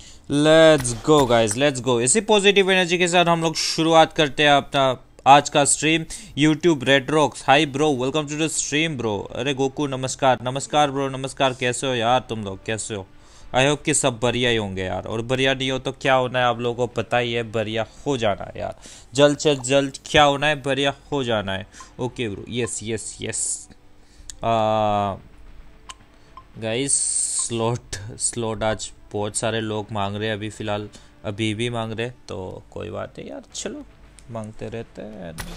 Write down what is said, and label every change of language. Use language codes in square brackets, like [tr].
[en] Let's go guys, let's go. [hi] इसी positive energy के साथ हम लोग शुरुआत करते हैं अपना आज का stream. [en] YouTube red rocks, hi bro, welcome to the stream bro. [hi] अरे गोकू नमस्कार, नमस्कार ब्रो, नमस्कार. कैसे हो यार तुम लोग, कैसे हो? आई होप कि सब बढ़िया ही होंगे यार, और बढ़िया नहीं हो तो क्या होना है आप लोगों को पता ही है, बढ़िया हो जाना है यार, जल्द से जल्द क्या होना है, बढ़िया हो जाना है. [en] Okay bro, yes yes yes. [hi] Guys slot, slot आज बहुत सारे लोग मांग रहे हैं अभी फिलहाल, अभी भी मांग रहे हैं, तो कोई बात है यार, चलो मांगते रहते हैं.